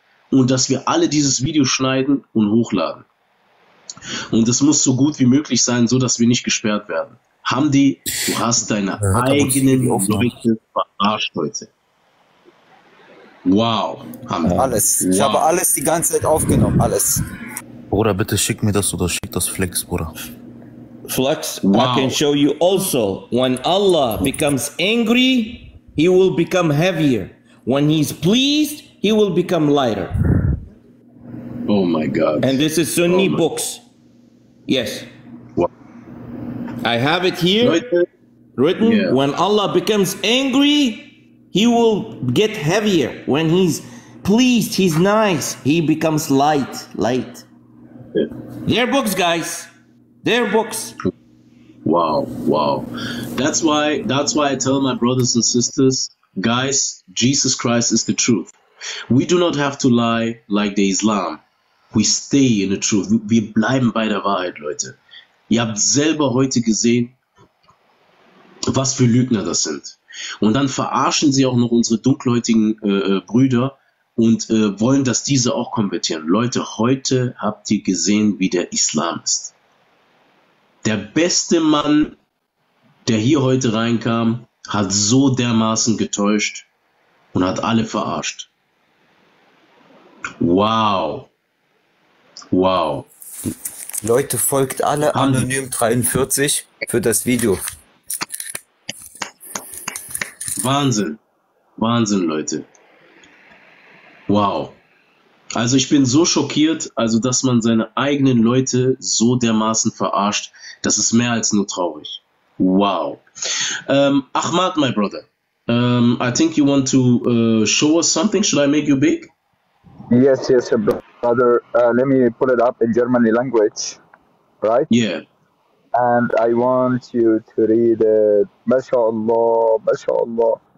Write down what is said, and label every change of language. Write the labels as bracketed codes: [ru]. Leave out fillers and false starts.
[de] Und dass wir alle dieses Video schneiden und hochladen. Und es muss so gut wie möglich sein, so dass wir nicht gesperrt werden. Hamdi, du hast deine eigenen Leute verarscht heute. Wow. Hamdi. Alles. Wow. Ich habe alles die ganze Zeit aufgenommen. Alles. Bruder, bitte schick mir das oder schick das Flex, Bruder. [en] Flex, wow. I can show you also, when Allah becomes angry, he will become heavier. When he's pleased, he will become lighter. Oh my God. And this is Sunni books. Yes. What? I have it here written. Yeah. When Allah becomes angry, he will get heavier. When he's pleased, he's nice, he becomes light. Light. Yeah. Their books, guys. Their books. Wow. That's why I tell my brothers and sisters, guys, Jesus Christ is the truth. We do not have to lie like the Islam. We stay in the truth. [de] Wir bleiben bei der Wahrheit, Leute. Ihr habt selber heute gesehen, was für Lügner das sind. Und dann verarschen sie auch noch unsere dunkelhäutigen Brüder und wollen, dass diese auch konvertieren. Leute, heute habt ihr gesehen, wie der Islam ist. Der beste Mann, der hier heute reinkam, hat so dermaßen getäuscht und hat alle verarscht. Wow. Wow. Leute, folgt alle anonym 43 für das Video. Wahnsinn. Wahnsinn, Leute. Wow. Also ich bin so schockiert, also dass man seine eigenen Leute so dermaßen verarscht, das ist mehr als nur traurig. Wow. [en] Ahmad, my brother, I think you want to show us something. Should I make you big? Yes, yes, brother. Let me put it up in Germany language, right? Yeah. And I want you to read it. MashaAllah, MashaAllah.